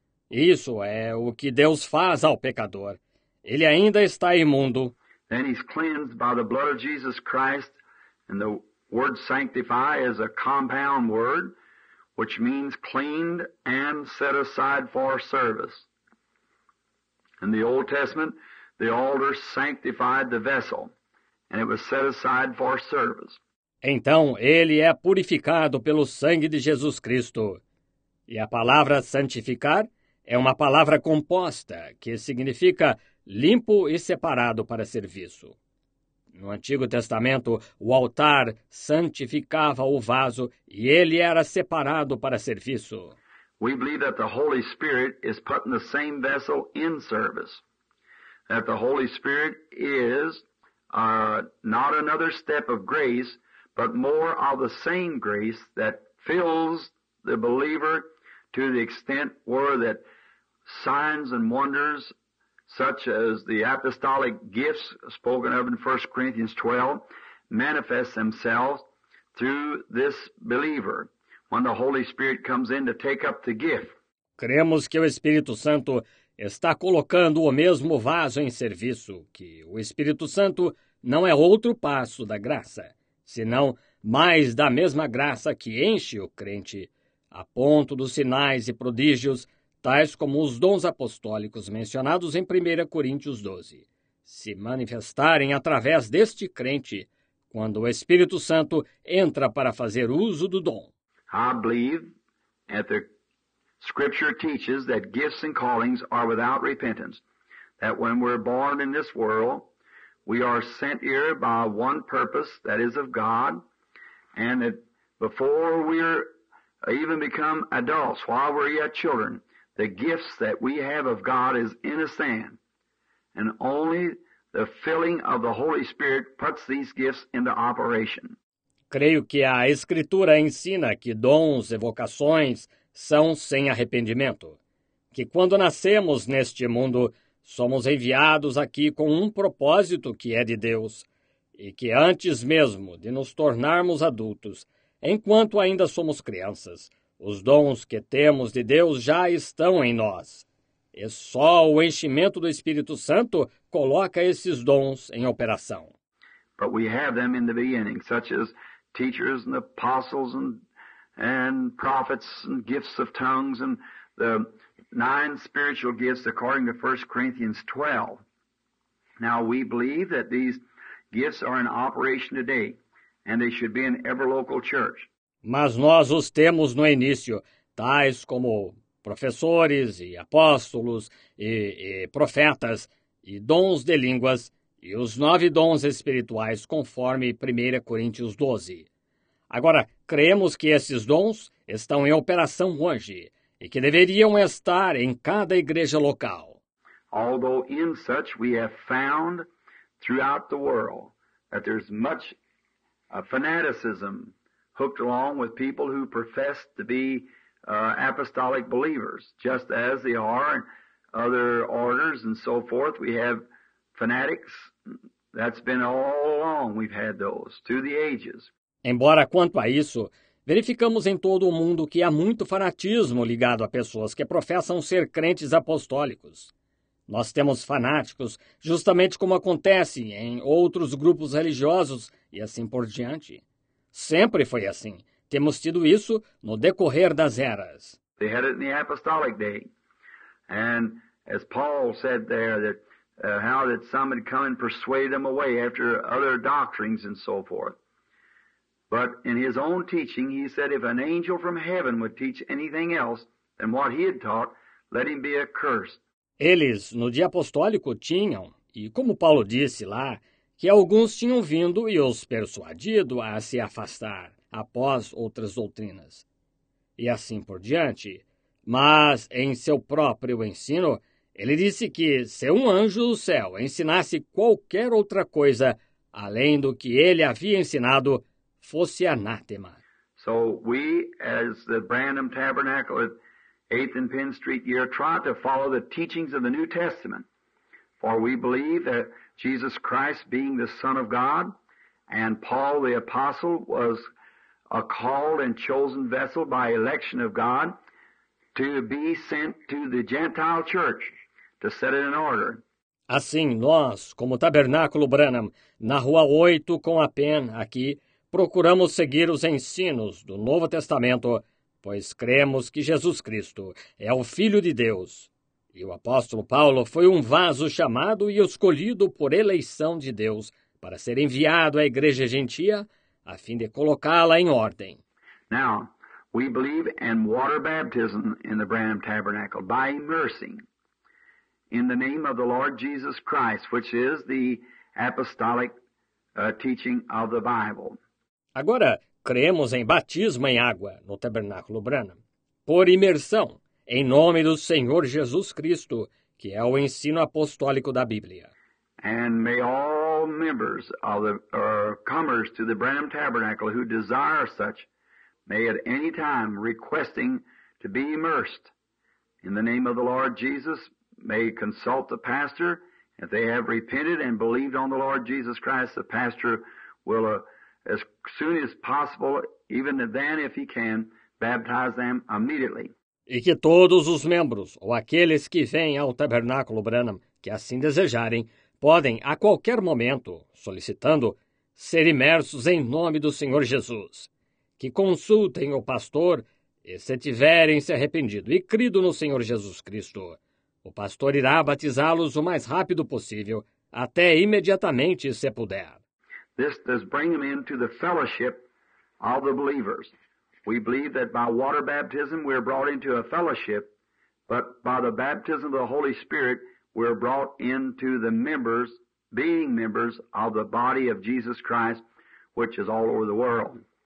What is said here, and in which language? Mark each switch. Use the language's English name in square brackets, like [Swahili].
[Portuguese] Isso é o que Deus faz ao pecador. Ele ainda está imundo. [English] Then he's cleansed by the blood of Jesus Christ and the word sanctify is a compound word, which means cleaned and set aside for service. In the Old Testament, the altar sanctified the vessel, and it was set aside for service. [Portuguese] Então, ele é purificado pelo sangue de Jesus Cristo. E a palavra santificar é uma palavra composta, que significa limpo e separado para serviço. No Antigo Testamento, o altar santificava o vaso e ele era separado para serviço. [English] We believe that the Holy Spirit is putting the same vessel in service. That the Holy Spirit is not another step of grace, but more of the same grace that fills the believer to the extent where that signs and wonders such as the apostolic gifts spoken of in 1 Corinthians 12, manifest themselves through this believer when the Holy Spirit comes in to take up the gift. [Portuguese] Cremos que o Espírito Santo está colocando o mesmo vaso em serviço, que o Espírito Santo não é outro passo da graça, senão mais da mesma graça que enche o crente, a ponto dos sinais e prodígios tais como os dons apostólicos mencionados em 1 Coríntios 12, se manifestarem através deste crente, quando o Espírito Santo entra para fazer uso do dom. [English] I believe that the Scripture teaches that gifts and callings are without repentance, that when we're born in this world, we are sent here by one purpose, that is of God, and that before we're even become adults, while we're yet children, the gifts that we have of God is in a sand, and only the filling of the Holy Spirit puts these gifts into operation. [Portuguese] Creio que a Escritura ensina que dons e vocações são sem arrependimento, que quando nascemos neste mundo, somos enviados aqui com um propósito que é de Deus, e que antes mesmo de nos tornarmos adultos, enquanto ainda somos crianças, os dons que temos de Deus já estão em nós, E só o enchimento do Espírito Santo coloca esses dons em operação. [English] But we have them in the beginning, such as teachers and apostles and prophets and gifts of tongues and the nine spiritual gifts according to 1 Corinthians 12. Now, we believe that these gifts are in operation today, and they should be in every local church. [Portuguese] Mas nós os temos no início, tais como professores e apóstolos e profetas e dons de línguas e os nove dons espirituais, conforme 1 Coríntios 12. Agora, cremos que esses dons estão em operação hoje e que deveriam estar em cada igreja local. [English] Although in such we have found throughout the world that there's much fanaticism hooked along with people who profess to be apostolic believers, just as they are in other orders and so forth. We have fanatics. That's been all along we've had those, through the ages. [Portuguese] Embora quanto a isso, verificamos em todo o mundo que há muito fanatismo ligado a pessoas que professam ser crentes apostólicos. Nós temos fanáticos, justamente como acontece em outros grupos religiosos e assim por diante. Sempre foi assim. Temos tido isso no decorrer das eras. [English] They had it in the apostolic day. And as Paul said there, that how that some had come and persuaded them away after other doctrines and so forth. But in his own teaching, he said if an angel from heaven would teach anything else than what he had taught, let him be accursed. [Portuguese] Eles, no dia apostólico, tinham, e como Paulo disse lá, que alguns tinham vindo e os persuadido a se afastar após outras doutrinas, e assim por diante. Mas, em seu próprio ensino, ele disse que, se um anjo do céu ensinasse qualquer outra coisa, além do que ele havia ensinado, fosse anátema. [English] So we, as the Branham Tabernacle, 8th and Penn Street, year, try to follow the teachings of the New Testament. For we believe that Jesus Christ being the Son of God and Paul the Apostle was a called and chosen vessel by election of God to be sent to the Gentile church to set it in order. [Portuguese] Assim, nós, como Tabernáculo Branham, na Rua 8 com a Penn aqui, procuramos seguir os ensinos do Novo Testamento, pois cremos que Jesus Cristo é o Filho de Deus. E o apóstolo Paulo foi um vaso chamado e escolhido por eleição de Deus para ser enviado à igreja gentia a fim de colocá-la em ordem. [English] Now, we believe in water baptism in the Branham Tabernacle by immersing in the name of the Lord Jesus Christ, which is the apostolic teaching of the Bible. [Portuguese] Agora, cremos em batismo em água no Tabernáculo Branham, por imersão, em nome do Senhor Jesus Cristo, que é o ensino apostólico da Bíblia. [English] And may all members of the comers to the Branham Tabernacle who desire such, may at any time requesting to be immersed in the name of the Lord Jesus, may consult the pastor. If they have repented and believed on the Lord Jesus Christ, the pastor will as soon as possible, even then if he can, baptize them immediately. [Portuguese] E que todos os membros, ou aqueles que vêm ao Tabernáculo Branham, que assim desejarem, podem, a qualquer momento, solicitando, ser imersos em nome do Senhor Jesus. Que consultem o pastor, e se tiverem se arrependido e crido no Senhor Jesus Cristo, o pastor irá batizá-los o mais rápido possível, até imediatamente, se puder. [English] This does bring them into the fellowship of the believers. We believe that by water baptism we are brought into a fellowship, but by the baptism of the Holy Spirit we are brought into the members, being members of the body of Jesus Christ, which is all over the world.